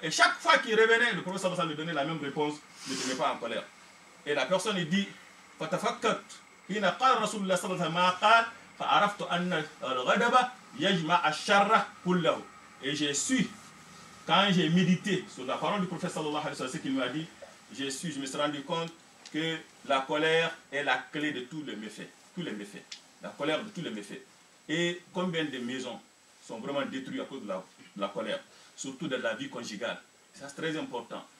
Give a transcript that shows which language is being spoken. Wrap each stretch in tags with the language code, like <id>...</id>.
<fr>Et chaque fois qu'il revenait, le prophète sallallahu alayhi wa sallam lui donnait la même réponse, ne te mets pas en colère. Et la personne dit, fatafakkat.</fr> <ar>حين قال رسول الله صلى الله عليه وسلم ما قال فعرفت أن الغضب يجمع الشر كله.</ar> <fr>Et j'ai su, quand j'ai médité sur la parole du prophète</fr> <ar>صلى الله عليه وسلم,</ar> <fr>ce qu'il m'a dit, j'ai su, je me suis rendu compte que la colère est la clé de tous les méfaits. Tous les méfaits. La colère de tous les méfaits. Et combien de maisons sont vraiment détruites à cause de la colère, surtout de la vie conjugale. Ça, c'est très important.</fr>